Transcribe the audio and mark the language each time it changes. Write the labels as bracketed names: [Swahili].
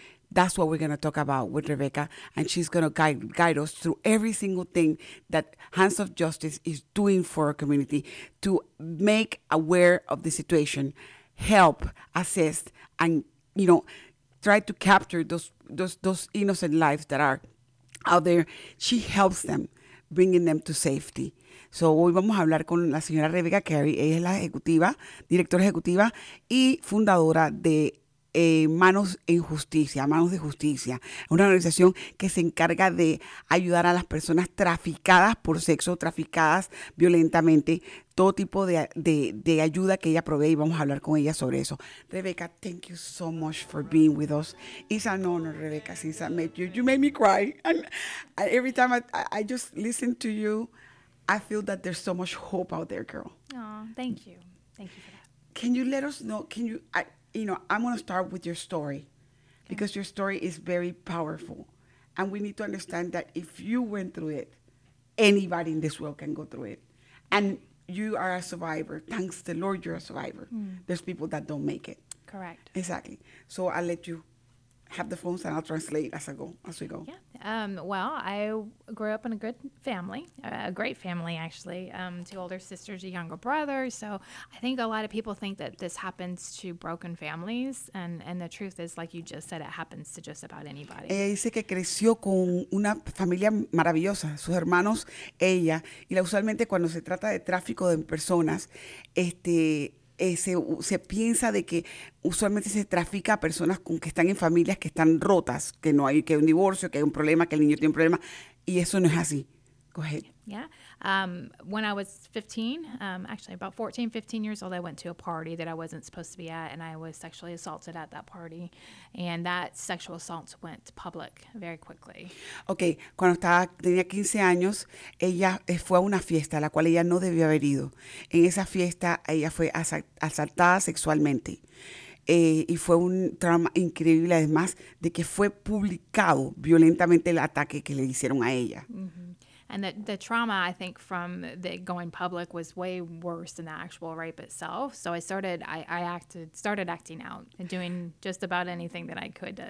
[English] That's what we're going to talk about with Rebecca. And she's going to guide us through every single thing that Hands of Justice is doing for our community to make aware of the situation, help, assist, and, you know, try to capture those innocent lives that are out there. She helps them, bringing them to safety. [Spanish] So hoy vamos a hablar con la señora Rebecca Carey. Ella es la directora ejecutiva y fundadora de Manos en Justicia, Manos de Justicia, una organización que se encarga de ayudar a las personas traficadas por sexo, traficadas violentamente, todo tipo de ayuda que ella provee, y vamos a hablar con ella sobre eso. [English] Rebecca, thank you so much for being with us. It's an honor, Rebecca, since I met you. You made me cry. And every time I just listen to you, I feel that there's so much hope out there, girl. Aw, thank you. Thank you for that. Can you let us know, I'm going to start with your story, because your story is very powerful. And we need to understand that if you went through it, anybody in this world can go through it. And you are a survivor. Thanks to the Lord, you're a survivor. Mm. There's people that don't make it. Correct. Exactly. So I'll let you have the phones and I'll translate as we go. Yeah. Well, I grew up in a good family, a great family, actually. Two older sisters, a younger brother. So I think a lot of people think that this happens to broken families. And the truth is, like you just said, it happens to just about anybody. [Spanish] Ella dice que creció con una familia maravillosa, sus hermanos, ella. Y usualmente cuando se trata de tráfico de personas, se piensa de que usualmente se trafica a personas con que están en familias que están rotas, que no hay, que hay un divorcio, que hay un problema, que el niño tiene un problema, y eso no es así. [English] Go ahead. Yeah. When I was 15, actually about 14, 15 years old, I went to a party that I wasn't supposed to be at, and I was sexually assaulted at that party, and that sexual assault went public very quickly. [Spanish] Okay, cuando tenía 15 años, ella fue a una fiesta a la cual ella no debió haber ido. En esa fiesta, ella fue asaltada sexualmente. Y fue un trauma increíble, además de que fue publicado violentamente el ataque que le hicieron a ella. Mm-hmm. [English] And the trauma, I think, from the going public was way worse than the actual rape itself. So I started acting out and doing just about anything that I could.